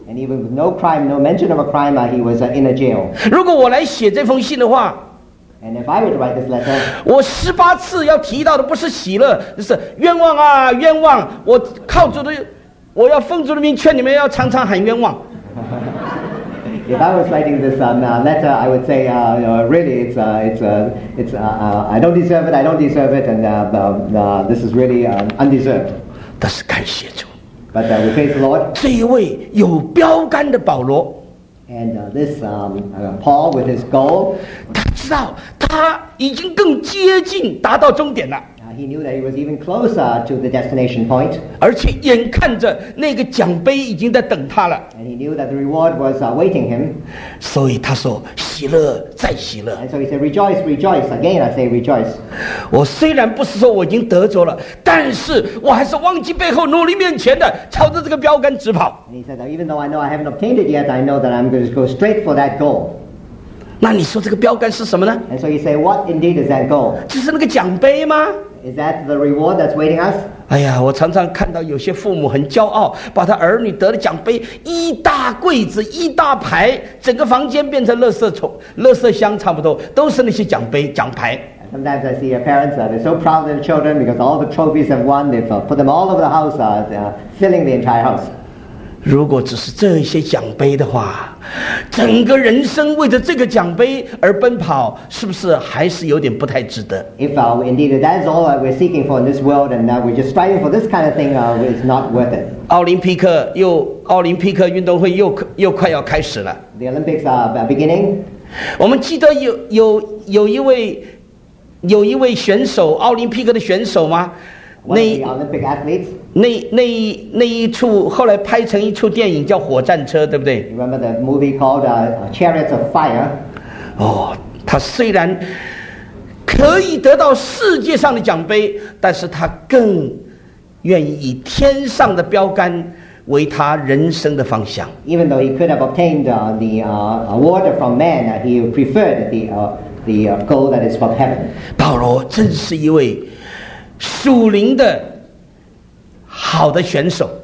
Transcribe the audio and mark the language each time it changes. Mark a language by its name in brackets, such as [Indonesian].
[English] And even with no crime, no mention of a crime, he was in a jail. [Chinese] 如果我来写这封信的话， [English] And if I were to write this letter, [Chinese] 我十八次要提到的不是喜乐，是冤枉啊，冤枉！我靠主的，我要奉主的名劝你们要常常喊冤枉。 [English] If I was writing this letter, I would say, really, I don't deserve it, I don't deserve it, and this is really undeserved. [Chinese] 但是感谢主。 [English] But we praise the Lord. [Chinese] 这一位有标杆的保罗 [English] ，and this Paul with his goal， [Chinese] 他知道他已经更接近达到终点了。 [English] He knew that he was even closer to the destination point. [Chinese] 而且眼看着那个奖杯已经在等他了。 [English] And he knew that the reward was awaiting him. [Chinese] 所以他说：“喜乐，再喜乐。 [English] ”And so he said, "Rejoice, rejoice again." I say, "Rejoice." [Chinese] 我虽然不是说我已经得着了，但是我还是忘记背后，努力面前的，朝着这个标杆直跑。 [English] And he said, "Even though I know I haven't obtained it yet, I know that I'm going to go straight for that goal." [Chinese] 那你说这个标杆是什么呢 [English] ？And so he said, "What indeed is that goal?" [Chinese] 就是那个奖杯吗？ [English] Is that the reward that's waiting us? [Chinese] 哎呀，我常常看到有些父母很骄傲，把他儿女得的奖杯一大柜子一大排，整个房间变成垃圾箱差不多，都是那些奖杯奖牌。 [English] Sometimes I see parents that are so proud of their children because all the trophies they've won, they've put them all over the house, filling the entire house. [Chinese] 如果只是这些奖杯的话，整个人生为着这个奖杯而奔跑，是不是还是有点不太值得 [English] ？If indeed that's all we're seeking for in this world, and we're just striving for this kind of thing, it's not worth it. [Chinese] 奥林匹克运动会又快要开始了。 [English] The Olympics are beginning. [Chinese] 我们记得有一位选手，奥林匹克的选手吗？ [English] One of the Olympic athletes. [Chinese] 那一处后来拍成一出电影叫《火战车》，对不对 [English] ？You remember the movie called Chariots of Fire? [Chinese] 哦，他虽然可以得到世界上的奖杯，但是他更愿意以天上的标杆为他人生的方向。 [English] Even though he could have obtained the award from man, he preferred the goal that is from heaven. [Chinese] 保罗正是一位属灵的好的选手。